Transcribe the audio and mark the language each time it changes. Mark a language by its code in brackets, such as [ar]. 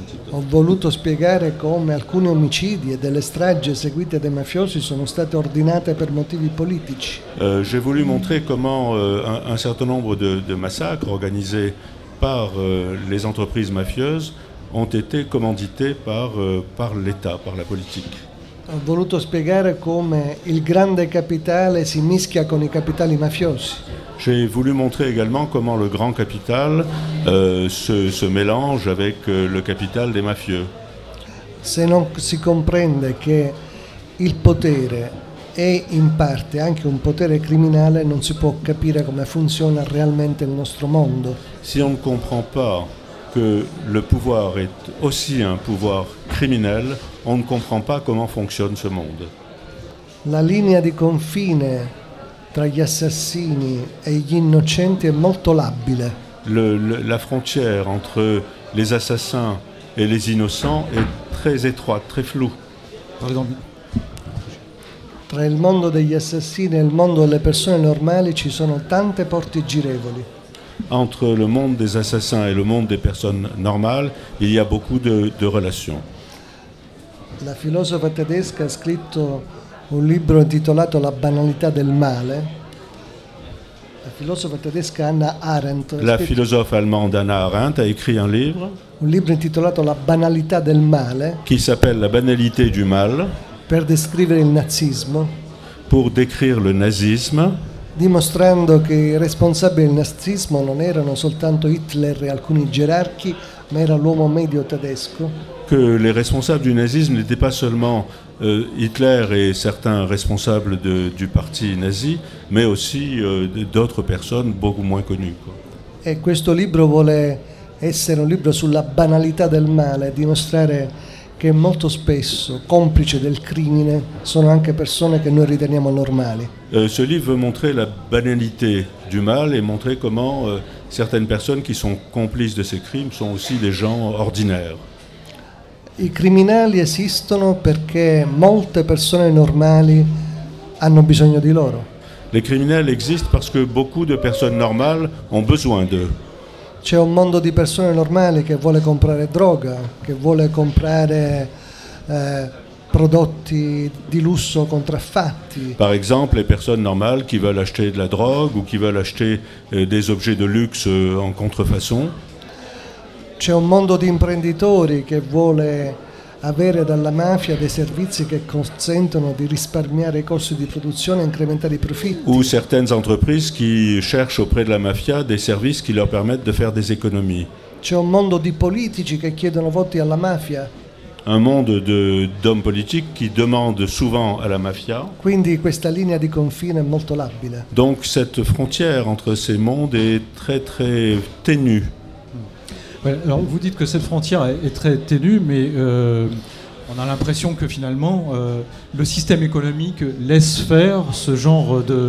[it] Ho voluto spiegare come alcuni omicidi e delle stragi eseguite dai mafiosi sono state ordinate per motivi politici. [fr] J'ai voulu montrer comment un certain nombre de massacres organisés par les entreprises mafieuses ont été commandités par l'État, par la politique. [it] Ho voluto spiegare come il grande capitale si mischia con i capitali mafiosi. [fr] J'ai voulu montrer également comment le grand capital se mélange avec le capital des mafieux. [it] Se non si comprende che il potere è in parte anche un potere criminale, non si può capire come funziona realmente il nostro mondo. [fr] Si on ne comprend pas que le pouvoir est aussi un pouvoir criminel, on ne comprend pas comment fonctionne ce monde. [it] La linea di confine tra gli assassini e gli innocenti è molto labile. La frontiera [fr] entre les assassins e les innocents è très étroite, très flou. Par exemple, [it] tra il mondo degli assassini e il mondo delle persone normali ci sono tante porte girevoli. [fr] Entre le monde des assassins et le monde des personnes normales, il y a beaucoup de relations. [it] La filosofa tedesca ha scritto un libro intitolato La banalità del male. La filosofa tedesca Anna Arendt. La filosofa [fr] allemande Anna Arendt ha écrit un livre. [it] Un libro intitolato La banalità del male. [fr] Qui s'appelle La banalité du mal. [it] Per descrivere il nazismo. [fr] Pour décrire le nazisme. [it] Dimostrando che i responsabili del nazismo non erano soltanto Hitler e alcuni gerarchi, ma era l'uomo medio tedesco. [fr] Que les responsables du nazisme n'étaient pas seulement Hitler et certains responsables du parti nazi, mais aussi d'autres personnes beaucoup moins connues. [it] E questo libro vuole essere un libro sulla banalità del male, dimostrare che molto spesso complice del crimine sono anche persone che noi riteniamo normali. [fr] Ce livre veut montrer la banalité du mal et montrer comment certaines personnes qui sont complices de ces crimes sont aussi des gens ordinaires. [it] I criminali esistono perché molte persone normali hanno bisogno di loro. [fr] Les criminels existent parce que beaucoup de personnes normales ont besoin d'eux. [it] C'è un mondo di persone normali che vuole comprare droga, che vuole comprare prodotti di lusso contraffatti. [fr] Par exemple, les personnes normales qui veulent acheter de la drogue ou qui veulent acheter des objets de luxe en contrefaçon. [it] C'è un mondo di imprenditori che vuole avere dalla mafia dei servizi che consentono di risparmiare i costi di produzione e incrementare i profitti. [fr] Ou certaines entreprises qui cherchent auprès de la mafia des services qui leur permettent de faire des économies. [it] C'è un mondo di politici che chiedono voti alla mafia. [fr] Un mondo d'hommes politiques qui demandent souvent à la mafia. [it] Quindi questa linea di confine è molto labile. [fr] Donc cette frontière entre ces mondes est très très ténue. Ouais, alors vous dites que cette frontière est très ténue, mais on a l'impression que finalement le système économique laisse faire ce genre